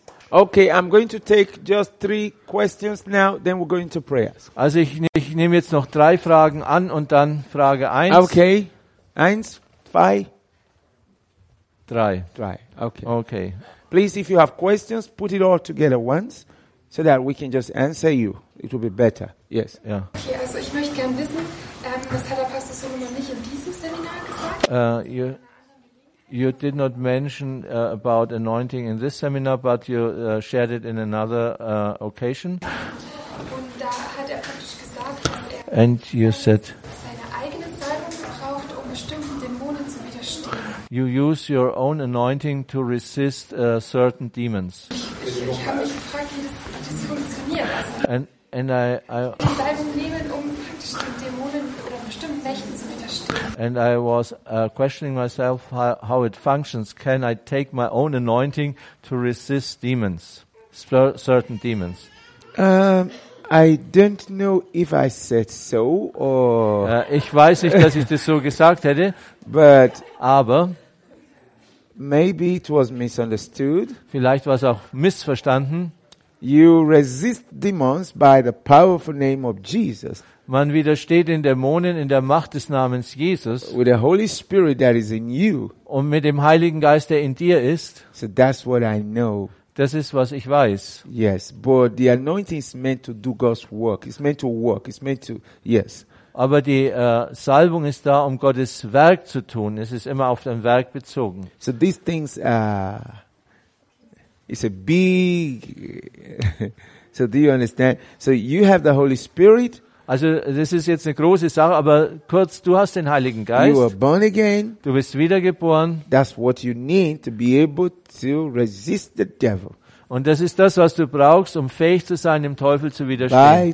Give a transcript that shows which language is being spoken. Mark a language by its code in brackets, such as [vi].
[en] Okay, I'm going to take just 3 questions now, then we're going to prayers. [de] Also ich nehme jetzt noch 3 Fragen an und dann Frage 1. [en] Okay. 1, 2, 3. 3. Okay. Okay. Please, if you have questions, put it all together once, so that we can just answer you. It will be better. Yes. Yeah. [de] Okay, also ich möchte gerne wissen, was hat der Pastor so noch nicht in diesem Seminar gesagt? [en] You did not mention about anointing in this seminar, but you shared it in another occasion. [de] Und da hat er praktisch gesagt, dass [en] and you said [de] seine eigene Salbung braucht, um bestimmten Dämonen zu widerstehen. [en] You use your own anointing to resist certain demons. [de] Ich habe mich gefragt, wie das funktioniert. [en] And I [de] Salbung nehmen, um praktisch den Dämonen oder bestimmten Mächten zu widerstehen. [en] And I was questioning myself how it functions. Can I take my own anointing to resist demons, certain demons? I don't know if I said so or. [de] Ich weiß nicht, dass ich das so gesagt hätte. [en] But. [de] Aber. [en] Maybe it was misunderstood. [de] Vielleicht war es auch missverstanden. [en] You resist demons by the powerful name of Jesus. [de] Man widersteht den Dämonen in der Macht des Namens Jesus. [en] With the Holy Spirit that is in you. [de] Und mit dem Heiligen Geist, der in dir ist. [en] So that's what I know. [de] Das ist, was ich weiß. [en] Yes, but the anointing is meant to do God's work. It's meant to work. It's meant to, yes. [de] Aber die Salbung ist da, um Gottes Werk zu tun. Es ist immer auf dein Werk bezogen. [en] So these things it's a big so do you understand? So you have the Holy Spirit. [de] Also, das ist jetzt eine große Sache, aber kurz, du hast den Heiligen Geist. [en] You are born again. [de] Du bist wiedergeboren. [en] That's what you need to be able to resist the devil. [de] Und das ist das, was du brauchst, um fähig zu sein, dem Teufel zu widerstehen.